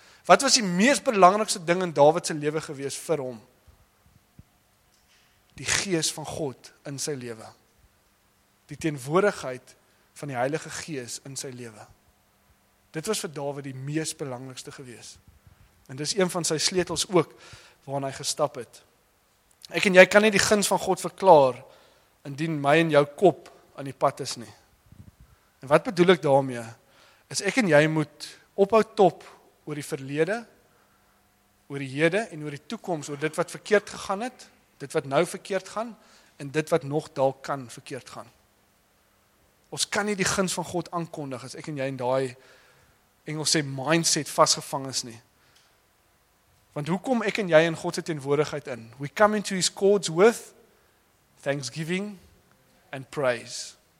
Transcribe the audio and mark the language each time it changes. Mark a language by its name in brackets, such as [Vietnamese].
[Afrikaans] Wat was die mees belangrikste ding in Dawid se lewe gewees vir hom? Die gees van God in sy lewe. Die teenwoordigheid van die Heilige Gees in sy lewe. Dit was vir Dawid die mees belangrikste gewees. En dis een van sy sleutels ook waarna hy gestap het. Ek en jy kan nie die guns van God verklaar indien my en jou kop aan die pad is nie. En wat bedoel ek daarmee? Is ek en jy moet ophou top oor die verlede, oor die hede en oor die toekoms, oor dit wat verkeerd gegaan het, dit wat nou verkeerd gaan, en dit wat nog dalk kan verkeerd gaan. Ons kan nie die guns van God aankondig as ek en jy in daai Engels sê mindset vasgevang is nie. Want hoe kom ek en jy in God se teenwoordigheid in? [English] We come into his courts with thanksgiving and praise.